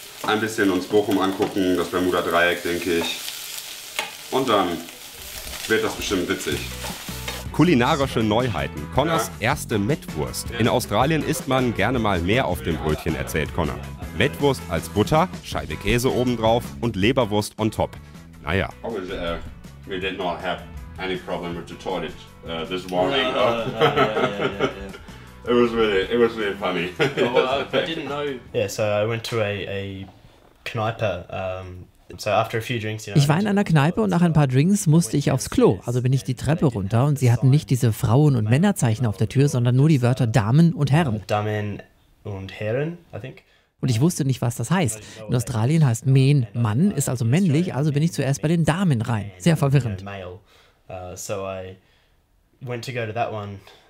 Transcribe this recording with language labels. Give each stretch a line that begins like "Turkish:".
German: Ein bisschen uns Bochum angucken, das Bermuda-Dreieck, denke ich. Und dann wird das bestimmt witzig. Kulinarische Neuheiten. Connors erste Mettwurst. In Australien isst man gerne mal mehr auf dem Brötchen, erzählt Connor. Mettwurst als Butter, Scheibe Käse obendrauf und Leberwurst on top. Naja.
English: We did not have any problem with the toilet this morning. It was really funny. I didn't know. Yeah, so I went to a Kneipe.
German: Ich war in einer Kneipe und nach ein paar Drinks musste ich aufs Klo. Also bin ich die Treppe runter und sie hatten nicht diese Frauen- und Männerzeichen auf der Tür, sondern nur die Wörter Damen und Herren. Damen und Herren,
English: I think.
German: Und ich wusste nicht, was das heißt. In Australien heißt Men Mann, ist also männlich, also bin ich zuerst bei den Damen rein. Sehr verwirrend.
English: So I went to go to that one.